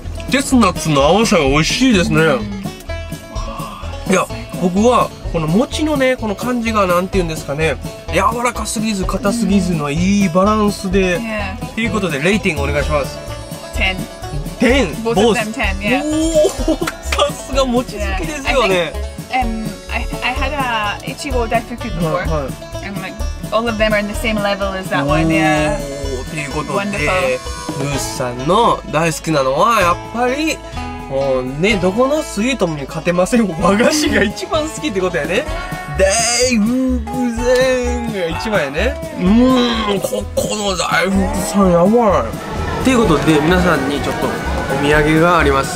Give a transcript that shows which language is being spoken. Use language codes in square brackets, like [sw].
[ja] チェスナッツの甘さが美味しいですね。いや、僕はこの餅のね、この感じがなんていうんですかね、柔らかすぎず硬すぎずのいいバランスで、と、いうことでレーティングお願いします。 10 10? [en] Both of them 10, yeah. [ja] さすが餅好きですよね。 [en] I had a Ichigo Daifuku before、はい、and all of them are in the same level as that one, yeah. [ja] ということで、ルースさんの大好きなのはやっぱりもうね、どこのスイートも勝てません。和菓子が一番好きってことやね。大福さんが一番やね。ここの大福さんやばい。ということで、皆さんにちょっとお土産があります。